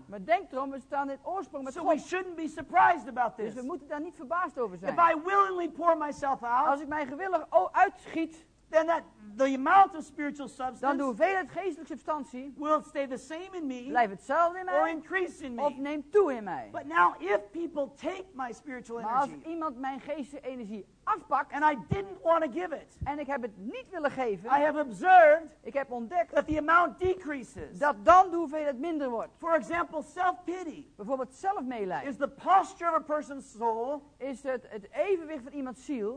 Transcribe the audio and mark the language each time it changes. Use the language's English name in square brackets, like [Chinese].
[Dutch] Maar denk erom, we staan in oorsprong met [English] so [Dutch] God. [English] So we shouldn't be surprised about this. [Dutch] Dus we moeten daar niet verbaasd over zijn. [English] If I willingly pour myself out, [Dutch] als ik mij gewillig uitschiet, [English] then that the amount of spiritual substance, [Dutch] dan de hoeveelheid geestelijke substantie, [English] will stay the same in me, [Dutch] blijft hetzelfde in mij, [English] or increase in me, [Dutch] of neemt toe in mij. [English] But now if people take my spiritual energy, [Dutch] maar als iemand mijn geestelijke energie afpakt, [English] and I didn't want to give it, [Dutch] en ik heb het niet willen geven, [English] I have observed, [Dutch] ik heb ontdekt, [English] that the amount decreases, [Dutch] dat dan de hoeveelheid minder wordt. [English] For example, self-pity, [Dutch] bijvoorbeeld zelfmeelijden, [English] is the posture of a person's soul, [Dutch] is het evenwicht van iemands ziel,